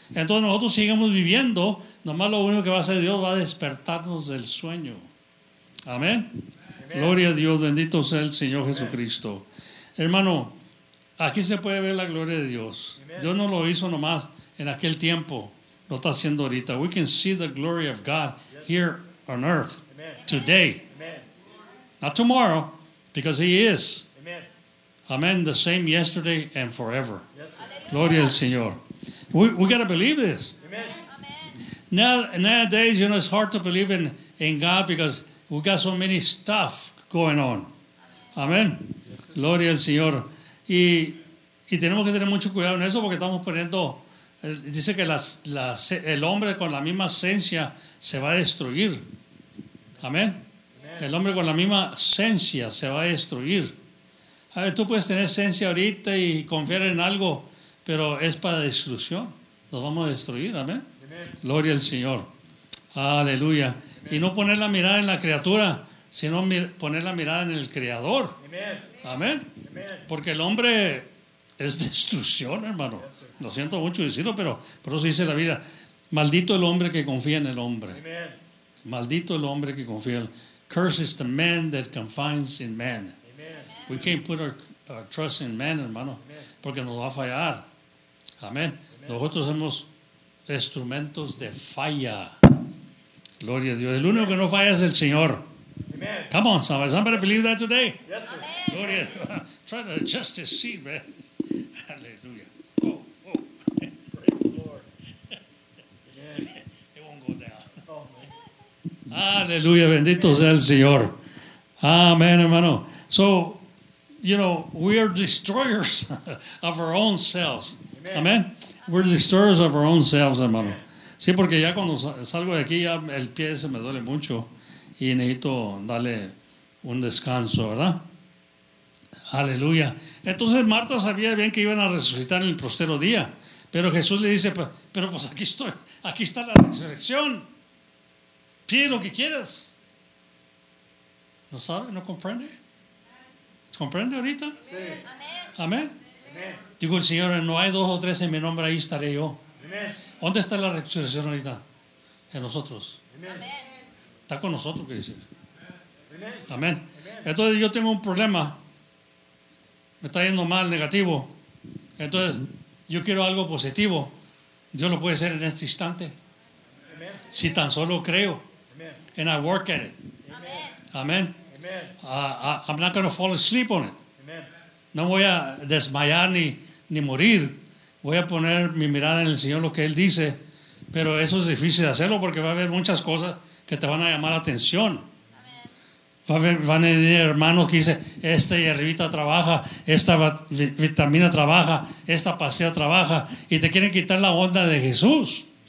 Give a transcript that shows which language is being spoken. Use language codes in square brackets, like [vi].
[es] Entonces nosotros sigamos viviendo, nomás lo único que va a hacer Dios va a despertarnos del sueño. Amén. Gloria a Dios, bendito sea el Señor. Amen. Jesucristo. Hermano, aquí se puede ver la gloria de Dios. Amen. Dios no lo hizo nomás en aquel tiempo, lo está haciendo ahorita. [en] We can see the glory of God here on earth. Amen. Today. Amen. Not tomorrow, because He is. Amen. The same yesterday and forever. Yes, [es] gloria al Señor. [en] We got to believe this. Amen. Nowadays, you know, it's hard to believe in God because we got so many stuff going on. [es] Amen. Yes, gloria al Señor. Y tenemos que tener mucho cuidado en eso porque estamos poniendo, dice que el hombre con la misma esencia se va a destruir. Amén. El hombre con la misma esencia se va a destruir. A ver, tú puedes tener esencia ahorita y confiar en algo, pero es para destrucción. Nos vamos a destruir, amén. Gloria al Señor. Aleluya. Amen. Y no poner la mirada en la criatura, sino poner la mirada en el Creador. Amén. Porque el hombre es destrucción, hermano. Yes, lo siento mucho decirlo, pero por eso dice la Biblia. Maldito el hombre que confía en el hombre. Amen. Maldito el hombre que confía en el hombre. [en] Curse is the man that confines in man. We can't put our trust in man, hermano, Amen. [es] Porque nos va a fallar. Amén. Nosotros somos instrumentos de falla. Gloria a Dios. El único que no falla es el Señor. Amen. [en] Come on, somebody. Somebody believe that today? Yes, sir. Amen. [es] Gloria a Dios. [en] Try to adjust his seat, man. Aleluya. Oh, oh. Praise the Lord. Amen. It won't go down. Oh, man. [es] Aleluya. Bendito Amen. Sea el Señor. Amén, hermano. [en] So, you know, we are destroyers of our own selves. Amen. Amen. We're destroyers of our own selves, hermano. Amen. [es] Sí, porque ya cuando salgo de aquí, ya el pie se me duele mucho y necesito darle un descanso, ¿verdad? Aleluya. Entonces, Marta sabía bien que iban a resucitar en el postero día. Pero Jesús le dice, pero pues aquí estoy. Aquí está la resurrección. Pide lo que quieras. ¿No sabe? ¿No comprende? ¿Comprende ahorita? Sí. Amén. Amén. Digo, el Señor, no hay dos o tres en mi nombre, ahí estaré yo. Amén. ¿Dónde está la resurrección ahorita? En nosotros. Amén. Está con nosotros, quiere decir. Amén. Amén. Amén. Entonces, yo tengo un problema. Me está yendo mal, negativo. Entonces, yo quiero algo positivo. Dios lo puede hacer en este instante. Amén. Si tan solo creo. Amén. [en] And I work at it. Amén. I'm not going to fall asleep on it. Amen. [es] No voy a desmayar ni morir. Voy a poner mi mirada en el Señor, lo que Él dice. Pero eso es difícil de hacerlo porque va a haber muchas cosas que te van a llamar la atención. Amen. Van a venir hermanos que dicen, esta hierbita trabaja, esta vitamina trabaja, esta pastilla trabaja, y te quieren quitar la onda de Jesús.